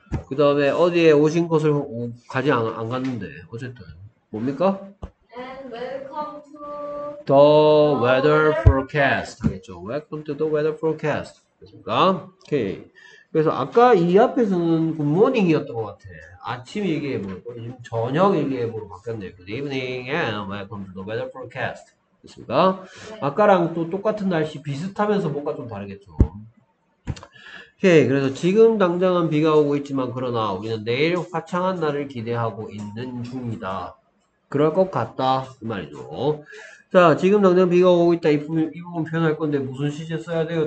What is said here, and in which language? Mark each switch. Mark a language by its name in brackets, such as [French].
[Korean] 그 다음에 어디에 오신 것을 가지 안 갔는데 어쨌든 뭡니까? [English] And welcome to the weather forecast 하겠죠. Welcome to the weather forecast. [Korean] 됐습니까? 오케이. 그래서 아까 이 앞에서는 굿모닝이었던 것 같아. 아침 일기예보로, 저녁 일기예보로 바뀌었네. [English] Good evening and welcome to the weather forecast. [Korean] 됐습니까? 아까랑 또 똑같은 날씨 비슷하면서 뭔가 좀 다르겠죠. 오케이. 그래서 지금 당장은 비가 오고 있지만 그러나 우리는 내일 화창한 날을 기대하고 있는 중이다. 그럴 것 같다. 그 말이죠. 자, 지금 당장 비가 오고 있다. 이 부분 표현할 건데 무슨 시제 써야 돼요?